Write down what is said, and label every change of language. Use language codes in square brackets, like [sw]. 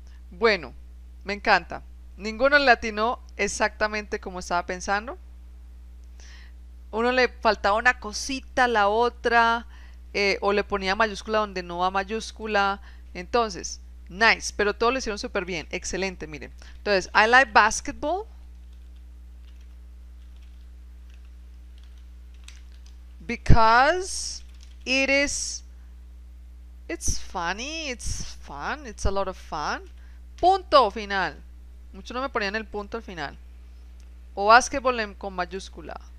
[es] Bueno, me encanta. Ninguno le atinó exactamente como estaba pensando. Uno le faltaba una cosita, la otra, o le ponía mayúscula donde no va mayúscula. Entonces, nice. Pero todo lo hicieron súper bien. Excelente, miren. [en] Entonces, I like basketball because it's funny, it's a lot of fun. [es] Punto final. Muchos no me ponían el punto al final. O básquetbol con mayúscula.